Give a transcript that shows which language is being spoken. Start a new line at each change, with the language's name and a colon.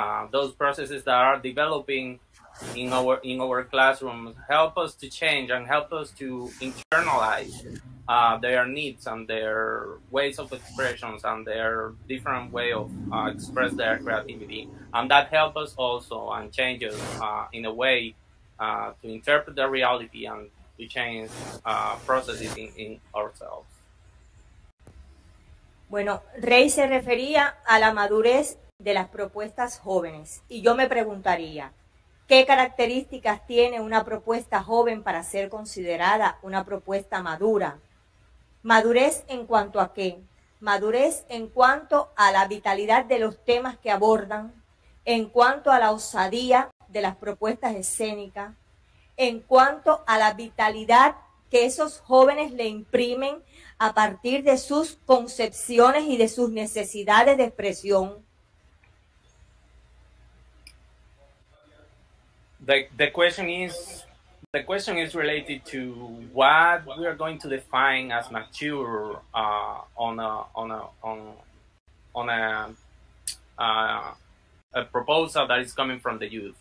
English: Those processes that are developing in our classrooms help us to change and help us to internalize their needs and their ways of expressions and their different way of express their creativity. And that helps us also and changes in a way to interpret the reality and to change processes in ourselves.
Spanish: Bueno, Rey se refería a la madurez de las propuestas jóvenes. Y yo me preguntaría, ¿qué características tiene una propuesta joven para ser considerada una propuesta madura? ¿Madurez en cuanto a qué? Madurez en cuanto a la vitalidad de los temas que abordan, en cuanto a la osadía de las propuestas escénicas, en cuanto a la vitalidad que esos jóvenes le imprimen a partir de sus concepciones y de sus necesidades de expresión.
English: The question is related to what we are going to define as mature on a proposal that is coming from the youth.